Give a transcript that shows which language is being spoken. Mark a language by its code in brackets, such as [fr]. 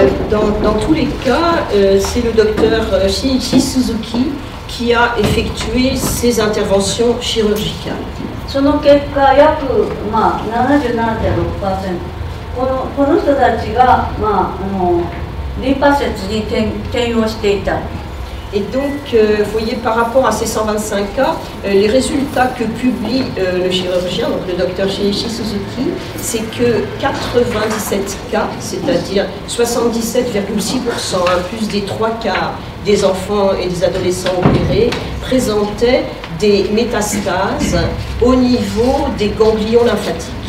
[fr] Dans tous les cas, c'est le docteur Shinichi Suzuki qui a effectué ces interventions chirurgicales. [ja] その結果約、まあ、77.6% この人たちが、まあ、リンパ節に転用していた。 [fr] Et donc, vous voyez, par rapport à ces 125 cas, les résultats que publie le chirurgien, donc le docteur Shinichi Suzuki, c'est que 97 cas, c'est-à-dire 77,6%, plus des trois quarts des enfants et des adolescents opérés, présentaient des métastases au niveau des ganglions lymphatiques.